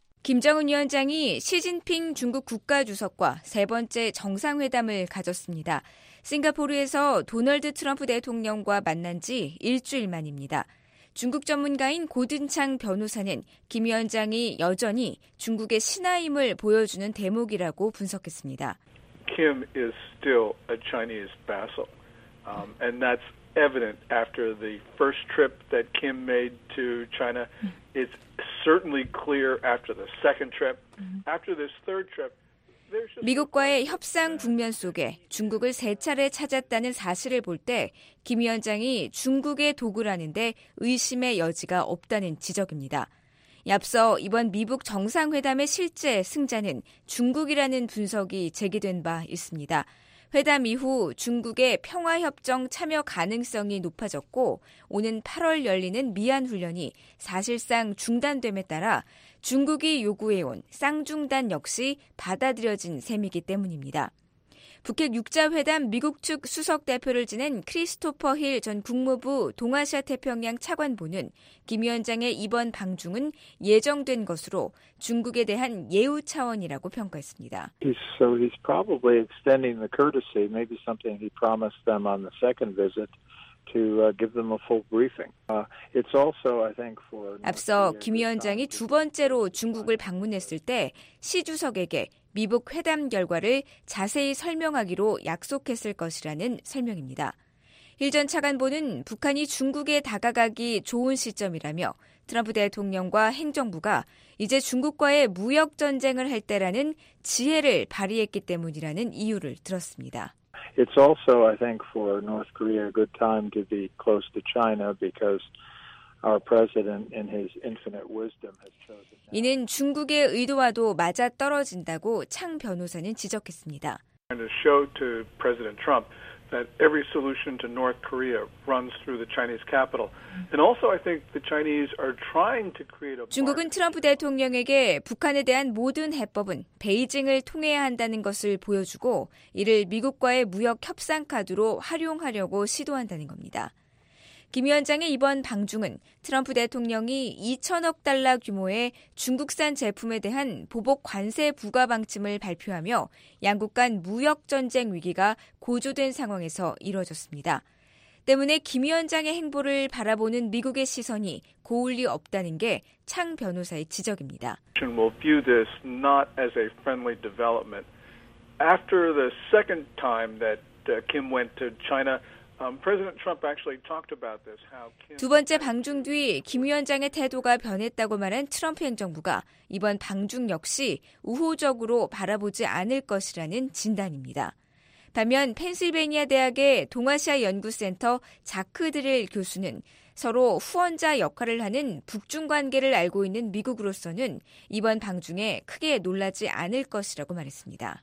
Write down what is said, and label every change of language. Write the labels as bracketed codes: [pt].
[ko] 김정은 위원장이 시진핑 중국 국가주석과 세 번째 정상회담을 가졌습니다. 싱가포르에서 도널드 트럼프 대통령과 만난 지 일주일 만입니다. 중국 전문가인 고든창 변호사는 김 위원장이 여전히 중국의 신하임을 보여주는 대목이라고 분석했습니다. [en] Kim is still a Chinese vassal, and that's evident after the first trip that Kim made to China. It's certainly clear after the second trip. After this third trip, [ko] 미국과의 협상 국면 속에 중국을 세 차례 찾았다는 사실을 볼 때 김 위원장이 중국의 도구라는 데 의심의 여지가 없다는 지적입니다. 앞서 이번 미북 정상회담의 실제 승자는 중국이라는 분석이 제기된 바 있습니다. 회담 이후 중국의 평화협정 참여 가능성이 높아졌고 오는 8월 열리는 미안훈련이 사실상 중단됨에 따라 중국이 요구해온 쌍중단 역시 받아들여진 셈이기 때문입니다. 북핵 6자회담 미국 측 수석대표를 지낸 크리스토퍼 힐 전 국무부 동아시아태평양 차관보는 김 위원장의 이번 방중은 예정된 것으로 중국에 대한 예우 차원이라고 평가했습니다. [en] So he's probably extending the courtesy, maybe something he promised them on the second visit. To give them a full briefing. It's also, I think, for. [ko] 앞서 김 위원장이 두 번째로 중국을 방문했을 때 시 주석에게 미북 회담 결과를 자세히 설명하기로 약속했을 것이라는 설명입니다. 일 전 차관보는 북한이 중국에 다가가기 좋은 시점이라며 트럼프 대통령과 행정부가 이제 중국과의 무역 전쟁을 할 때라는 지혜를 발휘했기 때문이라는 이유를 들었습니다. [en] It's also, I think, for North Korea a good time to be close to China because our president, in his infinite wisdom, has chosen. [ko] 이는 중국의 의도와도 맞아 떨어진다고 창 변호사는 지적했습니다. [en] And to show to President Trump that every solution to North Korea runs through the Chinese capital. And also, I think the Chinese are trying to create a. [ko] 중국은 트럼프 대통령에게 북한에 대한 모든 해법은 베이징을 통해야 한다는 것을 보여주고 이를 미국과의 무역 협상 카드로 활용하려고 시도한다는 겁니다. 김 위원장의 이번 방중은 트럼프 대통령이 2천억 달러 규모의 중국산 제품에 대한 보복 관세 부과 방침을 발표하며 양국 간 무역 전쟁 위기가 고조된 상황에서 이뤄졌습니다. 때문에 김 위원장의 행보를 바라보는 미국의 시선이 고울 리 없다는 게 창 변호사의 지적입니다. [en] We'll view this not as a friendly development. After the second time that Kim went to China, President Trump actually talked about this. [ko] 두 번째 방중 뒤 김 위원장의 태도가 변했다고 말한 트럼프 행정부가 이번 방중 역시 우호적으로 바라보지 않을 것이라는 진단입니다. 반면 펜실베니아 대학의 동아시아 연구센터 자크 드릴 교수는 서로 후원자 역할을 하는 북중 관계를 알고 있는 미국으로서는 이번 방중에 크게 놀라지 않을 것이라고 말했습니다.